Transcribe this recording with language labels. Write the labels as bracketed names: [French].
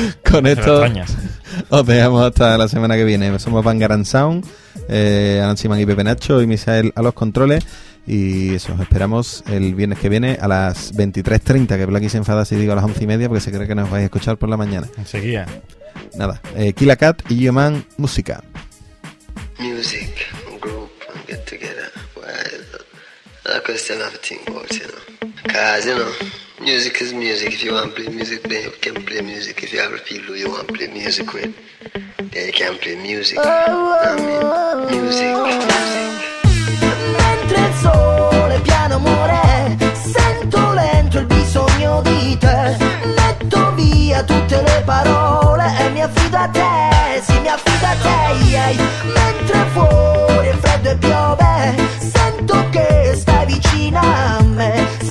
[Spanish] Con esto os dejamos hasta la semana que viene. Somos Bangaran Sound, Alan Simán y Pepe Nacho, y Misael a los controles. Y eso, os esperamos el viernes que viene a las 23:30, que Blacky se enfada si digo a las 11:30, porque se cree que nos vais a escuchar por la mañana. Enseguida. Nada, Killa Cat y Geoman, Música. [English] Music, group, and get together. Well, [Spanish] la cuestión [English] of thing, but, you know. Cause, you know, music is music. If you want to play music, then you can play music. If you have a people who you want to play music with, then you can play music. Music. [Italian] Mentre il sole piano muore, sento lento il bisogno di te. Metto via tutte le parole e mi affido a te, sì, mi affido a te. Mentre fuori è freddo e piove, sento che stai vicino a me.